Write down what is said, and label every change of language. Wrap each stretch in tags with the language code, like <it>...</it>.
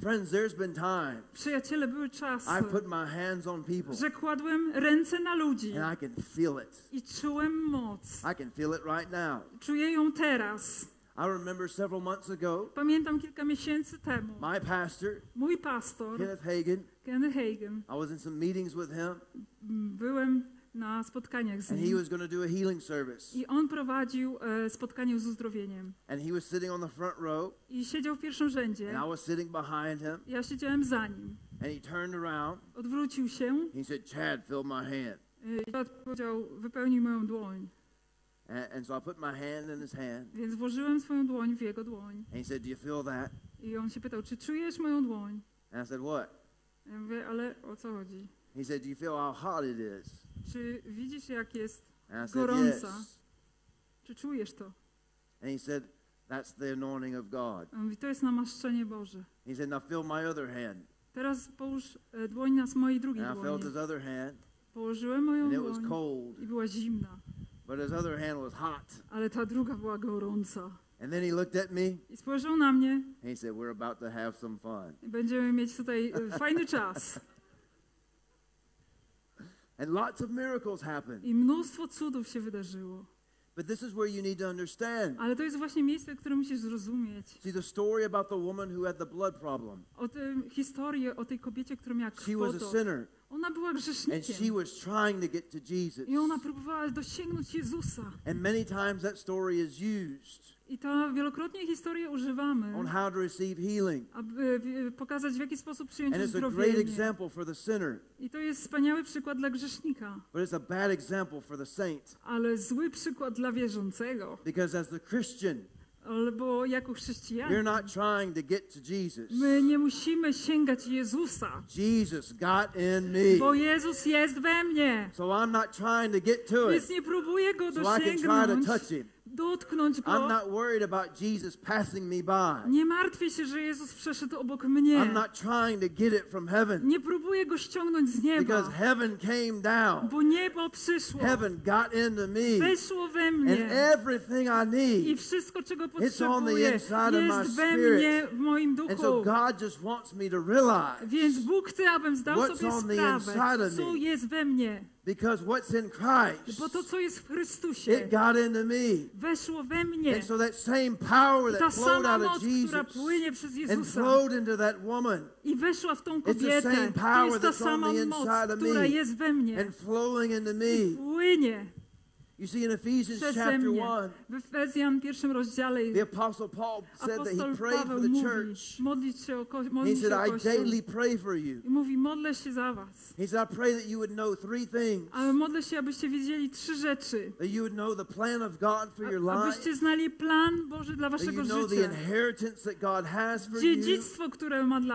<en>Friends, there's been time,</en> <pl>przyjaciele, były czasy,</pl> <en>I put my hands on people,</en> <pl>że kładłem ręce na ludzi,</pl> <en>and I can feel it.</en> <pl>I czułem moc.</pl> <en>I can feel it right now.</en> <pl>Czuję ją teraz.</pl> <en>I remember several months ago,</en> <pl>pamiętam kilka miesięcy temu,</pl> <en>my pastor,</en> <pl>mój pastor,</pl> <en>Kenneth Hagin, I was in some meetings with him,</en> <pl>byłem na spotkaniach z</pl> <en>and</en> <pl>nim.</pl> <en>He was going to do a healing service.</en> <pl>I on prowadził spotkanie z uzdrowieniem.</pl> <en>And he was sitting on the front row.</en> <pl>I siedział w pierwszym rzędzie.</pl> <en>And I was sitting behind him.</en> <pl>Ja siedziałem za nim.</pl> <en>And he turned around.</en> <pl>Odwrócił się.</pl> <en>He said, Chad, fill my hand.</en> <pl>I Chad powiedział, wypełnij moją dłoń.</pl> <en>And so I put my hand in his hand.</en> <pl>Więc włożyłem swoją dłoń w jego dłoń.</pl> <en>And he said, do you feel that?</en> <pl>I on się pytał, czy czujesz moją dłoń?</pl> <en>And I said, what?</en> <pl>Ja mówię, ale o co chodzi?</pl> <en>He said, do you feel how hot it is?</en> <pl>Czy widzisz, jak jest</pl> <en>said,</en> <pl>gorąca?</pl> <en>Yes.</en> <pl>Czy czujesz to?</pl> <en>And he said, that's the anointing of God.</en> <pl>On mówi, to jest namaszczenie Boże.</pl> <en>He said, now feel my other hand.</en> <pl>Teraz połóż dłoń na mojej drugiej</pl> <en>and</en> <pl>dłoni.</pl> <en>I felt his other hand,</en> <pl>położyłem moją</pl> <en>and it</en> <pl>dłoń</pl> <en>was cold,</en> <pl>i była zimna.</pl> <en>But his other hand was hot.</en> <pl>Ale ta druga była gorąca.</pl> <en>And then he looked at me,</en> <pl>i spojrzał na mnie.</pl> <en>And he said, we're about to have some fun.</en> <pl>Będziemy mieć tutaj fajny czas.</pl> <en>And lots of miracles happen.</en> <pl>I mnóstwo cudów się wydarzyło.</pl> <en>But this is where you need to understand.</en> <pl>Ale to jest właśnie miejsce, które musisz zrozumieć.</pl> <en>See the story about the woman who had the blood problem.</en> <pl>O tym historię o tej kobiecie, która miała krwotok.</pl> <en>She was a sinner.</en> <pl>Ona była grzesznikiem.</pl> <en>And she was trying to get to Jesus.</en> <pl>I ona próbowała dosięgnąć Jezusa.</pl> <en>And many times that story is used.</en> <pl>I to wielokrotnie historię używamy,</pl> <en>on how to receive healing.</en> <pl>Aby pokazać, w jaki sposób przyjąć</pl> <en>and</en> <pl>uzdrowienie.</pl> <en>It's a great example for the sinner.</en> <pl>I to jest wspaniały przykład dla grzesznika.</pl> <en>But it's a bad example for the saint.</en> <pl>Ale zły przykład dla wierzącego.</pl> <en>Because as the Christian,</en> <pl>albo jako chrześcijanin,</pl> <en>we're not trying to get to Jesus.</en> <pl>My nie musimy sięgać Jezusa.</pl> <en>Jesus got in me.</en> <pl>Bo Jezus jest we mnie.</pl> <en>So I'm not trying to get to</en> <pl>więc nie próbuję go dosięgnąć.</pl> <en>So I can try to touch him.</en> <pl>Dotknąć go.</pl> <en>I'm not worried about Jesus passing me by.</en> <pl>Nie martwię się, że Jezus przeszedł obok mnie.</pl> <en>I'm not trying to get it from heaven.</en> <pl>Nie próbuję go ściągnąć z nieba.</pl> <en>Because heaven came down.</en> <pl>Bo niebo przyszło.</pl> <en>Heaven got into me.</en> <pl>Weszło we mnie.</pl> <en>And everything I need.</en> <pl>I wszystko, czego potrzebuję,</pl> <en>it's on the inside</en> <pl>jest</pl> <en>of my</en> <pl>we</pl> <en>spirit.</en> <pl>Mnie, w moim duchu.</pl> <en>And so God just wants me to realize.</en> <pl>Więc Bóg chce, abym zdał</pl> <en>what's</en> <pl>sobie</pl> <en>on</en> <pl>sprawę,</pl> <en>the inside of me.</en> <pl>Co jest we mnie.</pl> <en>Because what's in Christ,</en> <pl>bo to, co jest w Chrystusie,</pl> <en>it got into me.</en> <pl>Weszło we mnie.</pl> <en>And so that same power that flowed out of Jesus and flowed into that woman,</en> <pl>i weszła w tą kobietę,</pl> <en>it's the same power that's on the inside of me,</en> <pl>która jest we mnie,</pl> <en>and flowing into me.</en> <pl>Płynie.</pl> <en>You see, in Ephesians chapter 1, the Apostle Paul said that he prayed</en> <pl>Paweł</pl> <en>for the church.</en> <pl>Modlić się</pl> <en>he said, I daily pray for you.</en> <pl>I mówi, modlę się za was.</pl> <en>He said, I pray that you would know three things.</en> <pl>Ale modlę się, abyście wiedzieli trzy rzeczy.</pl> <en>That you would know the plan of God for your life.</en> <pl>Abyście znali plan Boży dla waszego życia.</pl> <en>That you know</en> <pl>życia.</pl> <en>The inheritance that God has for</en> <pl>dziedzictwo, które ma dla</pl>